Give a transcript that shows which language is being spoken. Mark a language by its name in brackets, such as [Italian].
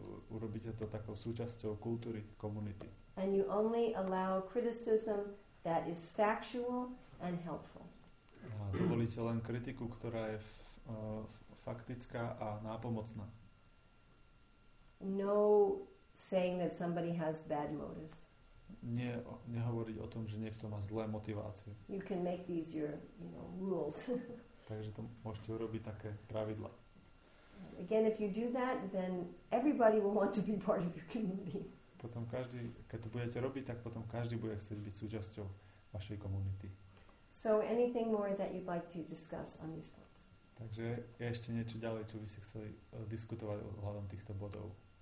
[Slovak] Urobíte to takou súčasťou kultúry komunity. [English] And you only allow criticism that is factual and helpful. [Slovak] A dovolíte len kritiku, ktorá je faktická a nápomocná. [English] No saying that somebody has bad motives. [Slovak] Nehovoriť o tom, že niekto má zlé motivácie. [English] You can make these your, rules. [Slovak] Takže to môžete urobiť také pravidla. [English] Again, if you do that, then everybody will want to be part of your community. [Slovak] Potom každý, keď to budete robiť, tak potom každý bude chcieť byť súčasťou vašej komunity. [English] So anything more that you'd like to discuss on these points? [Slovak] Takže je ešte niečo ďalej, čo by ste chceli diskutovať ohľadom týchto bodov.